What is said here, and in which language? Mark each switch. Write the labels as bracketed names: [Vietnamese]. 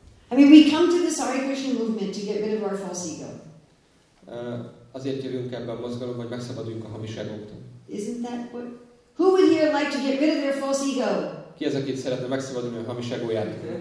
[English] I mean, we come to the Hare Krishna movement to get rid of our false ego. [Hungarian] Azért jövünk ebbe a mozgalomba, hogy megszabaduljunk a hamis egóktól. [English] Isn't that what? Who would here like to get rid of their false ego? [Hungarian] Ki az, akit szeretne megszabadulni a hamis egóját?